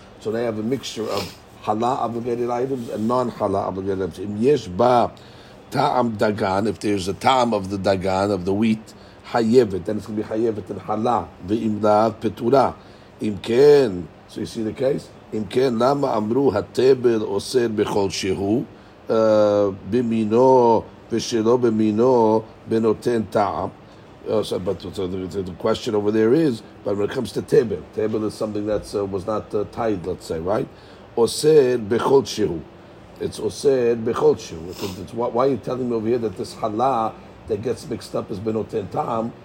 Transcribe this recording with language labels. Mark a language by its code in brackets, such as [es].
[en] So they have a mixture of חלה obligated items and non-חלה obligated items. [he] אם יש בה טעם דגן, [en] if there's a טעם of the דגן, of the wheat, חייבת, then it's going to be חייבת and חלה, [he] ואם לא, פטורה. אם כן, [en] so you see the case? [he] אם כן, למה אמרו הטבל אוסר בכל שהוא, במינו ושלא במינו, בנותן טעם? [en] So the question over there is, but when it comes to tebel is something that was not tied, let's say, right? [he] Oser bechol shehu. It's oser bechol shehu. [en] Why are you telling me over here that this halah that gets mixed up is benoten tam?